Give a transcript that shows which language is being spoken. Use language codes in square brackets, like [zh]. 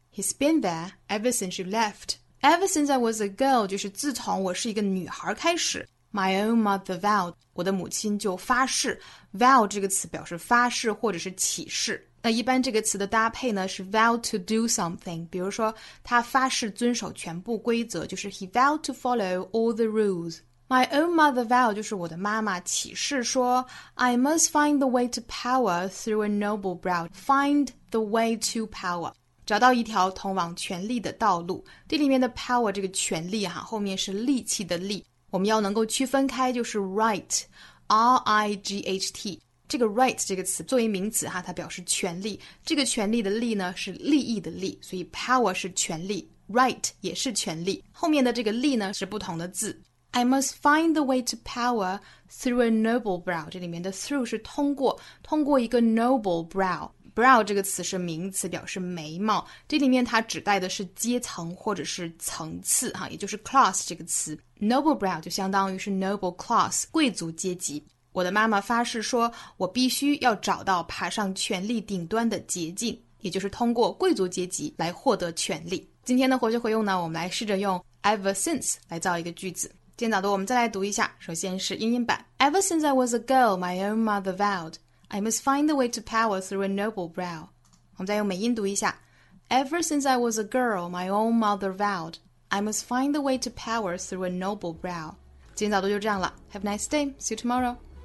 [en] He's been there ever since you left. Ever since I was a girl [zh] 就是自从我是一个女孩开始。 [en] My own mother vowed, [zh] 我的母亲就发誓。 Vow 这个词表示发誓或者是起誓。那一般这个词的搭配呢是 [en] vow to do something, [zh] 比如说他发誓遵守全部规则，就是 [en] he vowed to follow all the rules. My own mother vowed [zh] 就是我的妈妈起誓说 [en] I must find the way to power through a noble brow. Find the way to power. [zh] 找到一条通往权力的道路。这里面的 power 这个权力啊，后面是力气的力。我们要能够区分开就是 right, R-I-G-H-T. 这个 right 这个词作为名词哈，它表示权力，这个权力的力呢是利益的利，所以 power 是权力， right 也是权力，后面的这个力呢是不同的字。 [en] I must find the way to power through a noble brow, [zh] 这里面的 through 是通过一个 noble brow, brow 这个词是名词表示眉毛，这里面它指代的是阶层或者是层次哈，也就是 class 这个词， noble brow 就相当于是 noble class, 贵族阶级。我的妈妈发誓说我必须要找到爬上权力顶端的捷径，也就是通过贵族阶级来获得权力。今天的活学活用呢，我们来试着用 ever since 来造一个句子。今天早读我们再来读一下，首先是英音版。 [en] Ever since I was a girl, my own mother vowed, I must find the way to power through a noble brow. [zh] 我们再用美音读一下。 [en] Ever since I was a girl, my own mother vowed, I must find the way to power through a noble brow. [zh] 今天早读就这样了， [en] Have a nice day, see you tomorrow.